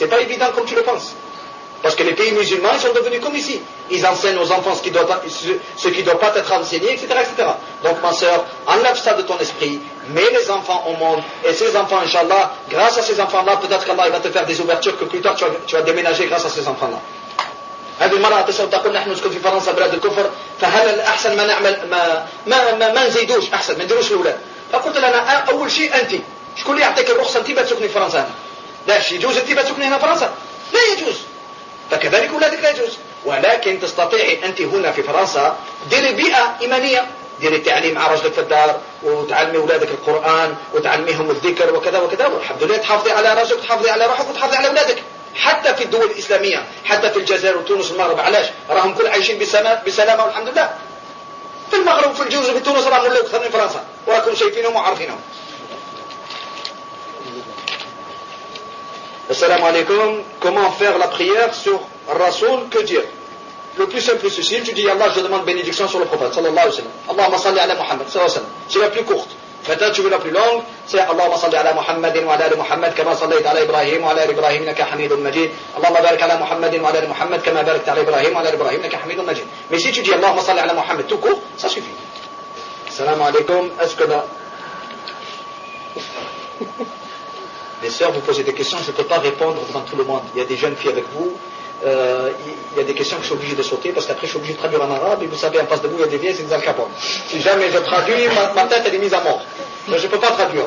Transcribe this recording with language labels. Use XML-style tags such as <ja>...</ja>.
<fr>C'est pas évident comme tu le penses. Parce que les pays musulmans, ils sont devenus comme ici. Ils enseignent aux enfants ce qui doit pas être enseigné, etc., etc. Donc, ma sœur, enlève ça de ton esprit, mets les enfants au monde, et ces enfants, Inch'Allah, grâce à ces enfants-là, peut-être qu'Allah il va te faire des ouvertures que plus tard tu vas déménager grâce à ces enfants-là.</fr> <ar>هذه المرأة تسأل تقول نحن نسكن في فرنسا بلاد الكفر فهل الأحسن ما نعمل ما ما ما نزيدوش أحسن ما نديروش الأولاد فقلت لنا أول شيء أنت شكون اللي يعطيك الرخصة أنت بتسكني في فرنسا لاش يجوز أنت بتسكني هنا في فرنسا لا يجوز فكذلك أولادك لا يجوز ولكن تستطيع أنت هنا في فرنسا ديري بيئة إيمانية ديري تعليم مع رجلك في الدار وتعلمي أولادك القرآن وتعلمهم الذكر وكذا وكذا والحمد لله تحافظي على رجلك تحافظي على روحك وتحافظي على أولادك حتى في الدول الإسلامية حتى في الجزائر وتونس والمغرب علاش راهم كل عايشين بسلامة والحمد لله في المغرب وفي الجزائر وفي تونس راهم اللي أكثر من فرنسا وراكم شايفينهم وعارفينهم. السلام عليكم.</ar> <fr>Comment faire la prière sur الرسول? Que dire? Le plus simple possible, tu dis يا الله je demande bénédiction sur le prophète</fr> <ar>صلى الله عليه وسلم. اللهم صل على محمد صلى الله عليه وسلم.</ar> <fr>C'est la plus courte. فتا تشوف لا بلو لونغ سي</fr> <ar>اللهم صل على محمد وعلى ال محمد كما صليت على ابراهيم وعلى ال ابراهيم انك حميد مجيد اللهم بارك على محمد وعلى ال محمد كما باركت على ابراهيم وعلى ال ابراهيم انك حميد مجيد</ar> <fr>مي سي تشوف</fr> <ar>اللهم صل على محمد</ar> <fr>تو كور سا سوفي.</fr> <ar>السلام عليكم.</ar> <fr>اسكدا Les sœurs, vous posez des questions, je ne peux pas répondre devant tout le monde. Il y a des jeunes filles avec vous, il y a des questions que je suis obligé de sauter parce qu'après je suis obligé de traduire en arabe et vous savez, en face de vous, il y a des vieilles, c'est des Al-Capone. Si jamais je traduis, ma tête elle est mise à mort. Donc, je ne peux pas traduire.</fr>